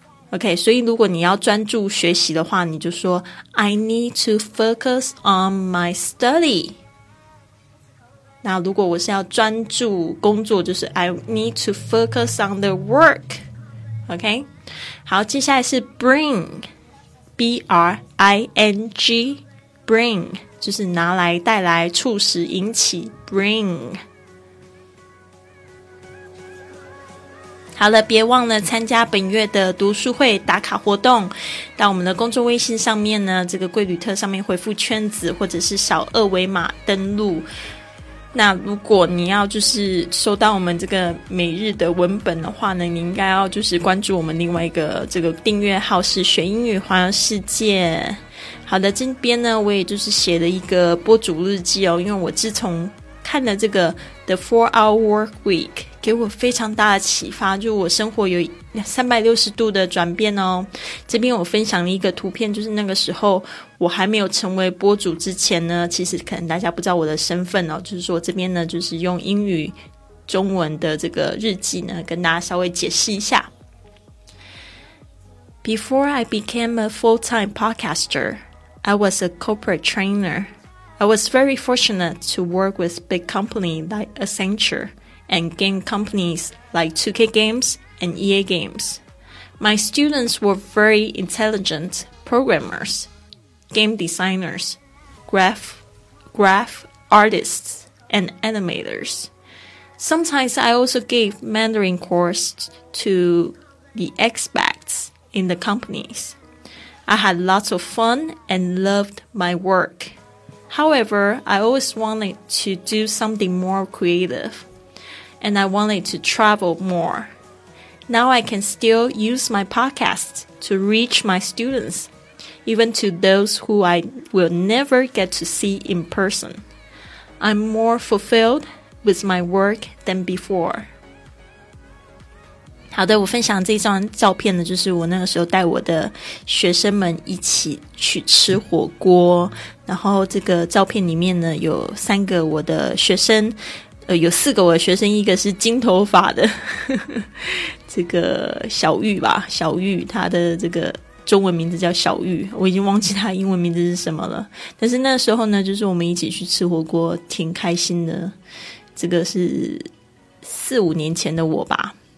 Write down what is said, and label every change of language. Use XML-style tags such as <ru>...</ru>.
<zh>OK, 所以如果你要专注学习的话，你就说</zh> <en>I need to focus on my study.</en> <zh>那如果我是要专注工作，就是</zh> <en>I need to focus on the work.</en> <zh>OK, 好，接下来是 bring, B-R-I-N-G, bring. 就是拿来带来促使引起 bring。好了，别忘了参加本月的读书会打卡活动，到我们的公众微信上面呢，这个贵旅特上面回复圈子或者是小二维码登录。那如果你要就是收到我们这个每日的文本的话呢，你应该要就是关注我们另外一个这个订阅号，是学英语环游世界。好的，这边呢我也就是写了一个播主日记哦，因为我自从看了这个 The 4-Hour Work Week 给我非常大的启发，就我生活有360度的转变哦。这边我分享了一个图片，就是那个时候我还没有成为播主之前呢，其实可能大家不知道我的身份哦，就是说这边呢就是用英语中文的这个日记呢跟大家稍微解释一下。</zh> <en>Before I became a full-time podcaster, I was a corporate trainer. I was very fortunate to work with big companies like Accenture and game companies like 2K Games and EA Games. My students were very intelligent, programmers, game designers, graph artists, and animators. Sometimes I also gave Mandarin course to the expats in the companies. I had lots of fun and loved my work. However, I always wanted to do something more creative, and I wanted to travel more. Now I can still use my podcast to reach my students, even to those who I will never get to see in person. I'm more fulfilled with my work than before.</en> <zh>好的，我分享这张照片呢，就是我那个时候带我的学生们一起去吃火锅，然后这个照片里面呢有三个我的学生，有四个我的学生，一个是金头发的这个小玉吧，小玉，他的这个中文名字叫小玉，我已经忘记他英文名字是什么了，但是那时候呢就是我们一起去吃火锅挺开心的，这个是四五年前的我吧。</zh>